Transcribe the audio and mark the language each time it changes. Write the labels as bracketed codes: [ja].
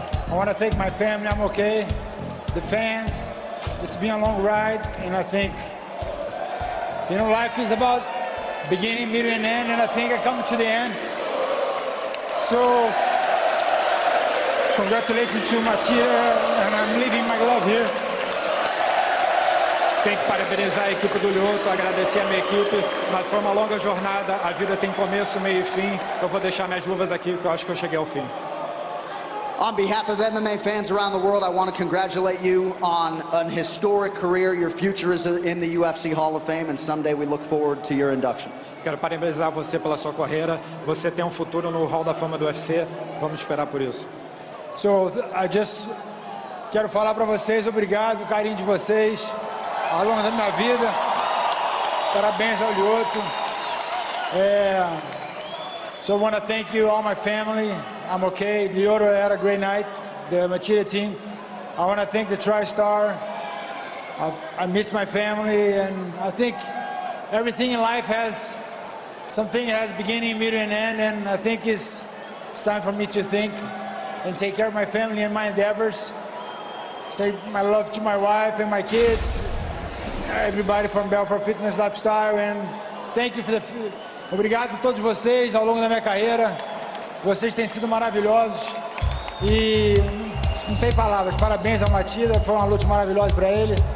[en] I want to thank my family, I'm okay. The fans, it's been a long ride, and I think, you know, life is about beginning, middle, and end, and I think I come to the end. So, congratulations to Machida, and I'm leaving my glove here. [pt] Tem que parabenizar a equipe do Lyoto, agradecer a minha equipe, mas foi uma longa jornada, a vida tem começo, meio e fim. Eu vou deixar minhas luvas aqui, porque eu acho que eu cheguei ao fim. [en] On behalf of MMA fans around the world, I want to congratulate you on an historic career. Your future is in the UFC Hall of Fame, and someday we look forward to your induction. [pt] Quero parabenizar você pela sua carreira. Você tem um futuro no Hall da Fama do UFC. Vamos esperar por isso. [en] So, I just [pt] quero falar para vocês, obrigado, o carinho de vocês. Ao longo da minha vida, parabéns ao Lyoto. [en] So I want to thank you, all my family. I'm okay. Lyoto had a great night. The Machida team. I want to thank the TriStar. I miss my family, and I think everything in life has something. It has beginning, middle, and end. And I think it's time for me to think and take care of my family and my endeavors. Say my love to my wife and my kids. Everybody from Belfort Fitness Lifestyle, and thank you for the. [pt] Obrigado a todos vocês ao longo da minha carreira. Vocês têm sido maravilhosos e não tem palavras. Parabéns ao Machida, foi uma luta maravilhosa para ele.